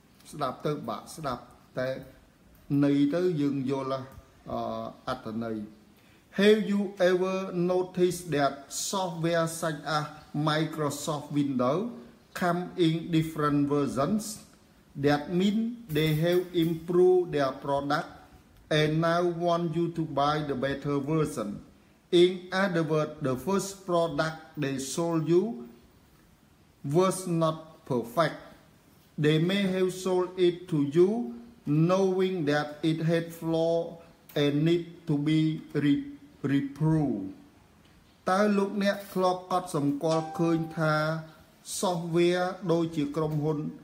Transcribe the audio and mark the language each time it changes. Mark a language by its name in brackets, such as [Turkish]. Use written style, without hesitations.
[Khmer] ស្ដាប់ទៅបាក់ស្ដាប់តែន័យទៅយើងយល់អត្ថន័យ [English] Have you ever noticed that software such as Microsoft Windows come in different versions that mean they have improved their product and now want you to buy the better version? In other words, the first product they sold you was not perfect. They may have sold it to you knowing that it had flaws and need to be reproved. [Khmer] តើលោកអ្នកធ្លាប់កត់សម្គាល់ឃើញថា software ដូចជាក្រុមហ៊ុន